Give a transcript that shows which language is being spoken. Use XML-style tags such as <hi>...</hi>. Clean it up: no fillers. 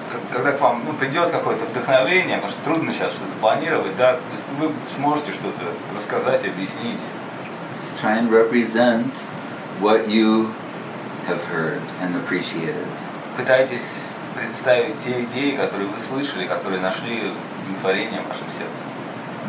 <ru>Когда к вам придет какое-то вдохновение, может трудно сейчас что-то планировать, да, вы сможете что-то рассказать, объяснить.</ru> <en>Try and represent what you have heard and appreciated.</en> <ru>Пытайтесь представить те идеи, которые вы слышали, которые нашли удовлетворение в вашем сердце.</ru>